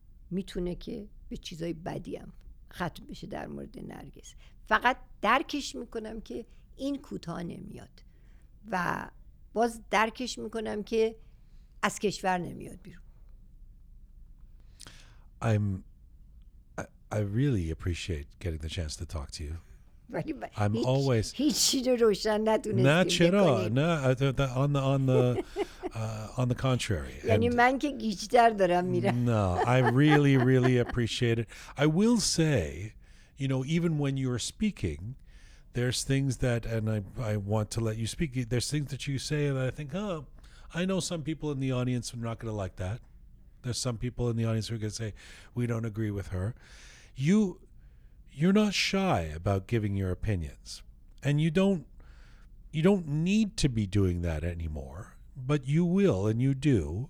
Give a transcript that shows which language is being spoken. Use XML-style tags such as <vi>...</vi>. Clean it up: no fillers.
<fa>میتونه که به چیزای بدی هم ختم بشه در مورد نرگس فقط درکش میکنم که این کوتاه نمیاد و باز درکش میکنم که از کشور نمیاد بیرون</fa> <en>I really appreciate getting the chance to talk to you I'm</en> <fa>هیچ</fa> <en>always</en> <fa>نه چرا نه</fa> <en>on the contrary</en> <fa>یعنی من که گیجتر دارم میرم</fa> <en>no I really really appreciate it I will say even when you're speaking there's things that and I want to let you speak there's things that you say that I think oh I know some people in the audience are not going to like that there's some people in the audience who are going to say we don't agree with her You're not shy about giving your opinions, and you don't need to be doing that anymore, but you will and you do.</en>